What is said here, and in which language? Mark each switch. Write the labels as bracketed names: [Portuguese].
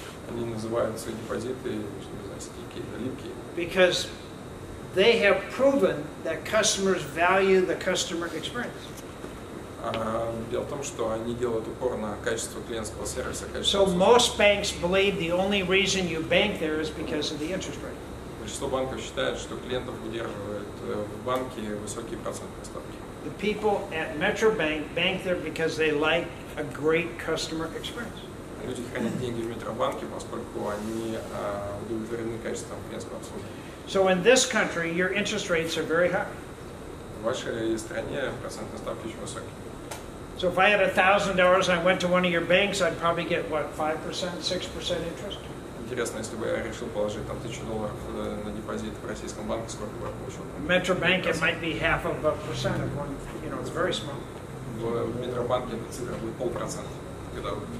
[Russian] Они называют свои депозиты, что не знаю, стики, липки. [English] Because they have proven that customers value the customer experience. [Russian] Дело в том, что они делают упор на качество клиентского сервиса. [English] So most banks believe the only reason you bank there is because of the interest rate. [Russian] Большинство банков считают, что клиентов удерживают в банке высокие процентные ставки. [English] The people at Metro Bank bank there because they like a great customer experience. [Russian] Люди хранят деньги в Метробанке, поскольку они удовлетворены качеством клиентского обслуживания. [English] So in this country, your interest rates are very high. [Russian] В вашей стране процентные ставки очень высокие. [English] So if I had $1,000 and I went to one of your banks, I'd probably get what, 5%, 6% interest? [Russian] Интересно, если бы я решил положить там $1,000 на депозит в российском банке, сколько бы я получил? [English] Metrobank, it might be half of a percent of one, you know, it's very small. [Russian] В Метробанке эта цифра будет 0.5%, когда вы...